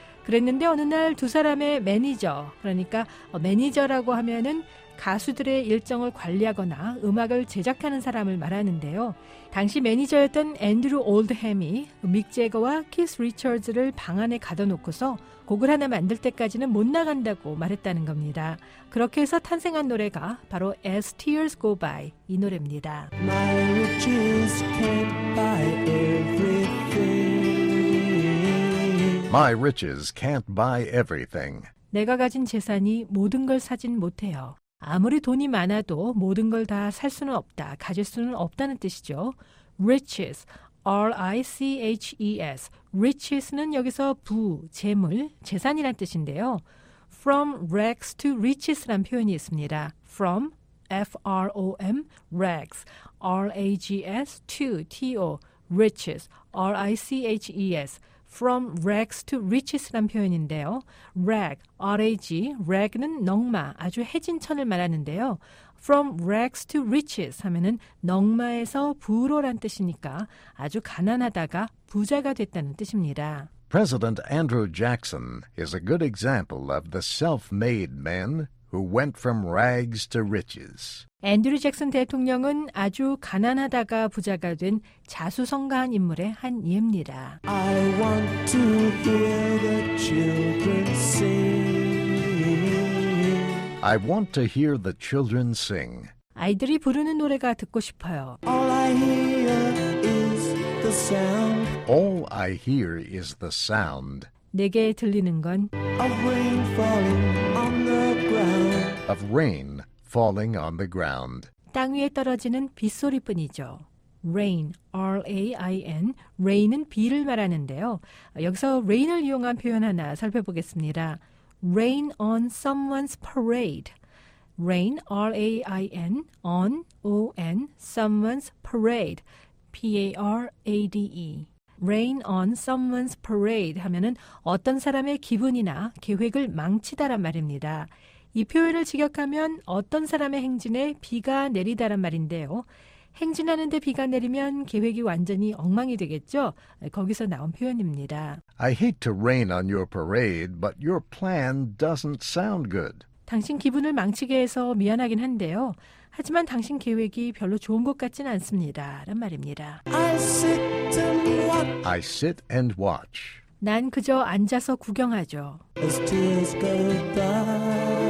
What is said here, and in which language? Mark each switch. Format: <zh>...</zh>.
<ko>그랬는데 어느 날 두 사람의 매니저, 그러니까 매니저라고 하면은 가수들의 일정을 관리하거나 음악을 제작하는 사람을 말하는데요. 당시 매니저였던 앤드류 올드햄이 믹 재거와 키스 리처즈를 방 안에 가둬놓고서 곡을 하나 만들 때까지는 못 나간다고 말했다는 겁니다. 그렇게 해서 탄생한 노래가 바로 As Tears Go By 이 노래입니다.</ko> <en>My riches can't buy everything. My riches can't buy everything.</en> <ko>내가 가진 재산이 모든 걸 사진 못해요. 아무리 돈이 많아도 모든 걸 다 살 수는 없다, 가질 수는 없다는 뜻이죠.</ko> <en>Riches, R-I-C-H-E-S.</en> <ko>Riches는 여기서 부, 재물, 재산이란 뜻인데요.</ko> <en>From rags to riches</en> <ko>란 표현이 있습니다.</ko> <en>From, F-R-O-M, rags, R-A-G-S, to, T-O, riches, R-I-C-H-E-S. From rags to riches</en> <ko>란 표현인데요. Rag, R-A-G, rag는 넝마, 아주 해진천을 말하는데요.</ko> <en>From rags to riches</en> <ko>하면은 넝마에서 부로란 뜻이니까 아주 가난하다가 부자가 됐다는 뜻입니다.</ko> <en>President Andrew Jackson is a good example of the self-made man who went from rags to riches.</en> <ko>앤드류 잭슨 대통령은 아주 가난하다가 부자가 된 자수성가한 인물의 한 예입니다.</ko> <en>I want to hear the children sing. I want to hear the children sing.</en> <ko>아이들이 부르는 노래가 듣고 싶어요.</ko> <en>All I hear is the sound. All I hear is the sound.</en> <ko>내게 들리는 건</ko> <en>of rain falling on the ground. Of rain falling on the ground.</en> <ko>땅 위에 떨어지는 빗소리뿐이죠. Rain, R-A-I-N, rain은 비를 말하는데요. 여기서 rain을 이용한 표현 하나 살펴보겠습니다.</ko> <en>Rain on someone's parade. Rain, R-A-I-N, on, O-N, someone's parade, P-A-R-A-D-E. Rain on someone's parade</en> <ko>하면은 어떤 사람의 기분이나 계획을 망치다란 말입니다. 이 표현을 직역하면 어떤 사람의 행진에 비가 내리다란 말인데요. 행진하는데 비가 내리면 계획이 완전히 엉망이 되겠죠? 거기서 나온 표현입니다.</ko> <en>I hate to rain on your parade, but your plan doesn't sound good.</en> <ko>당신 기분을 망치게 해서 미안하긴 한데요. 하지만 당신 계획이 별로 좋은 것 같지는 않습니다. 라는 말입니다.</ko> <en>I sit and watch.</en> <ko>난 그저 앉아서 구경하죠.</ko> <en>As tears go by.</en>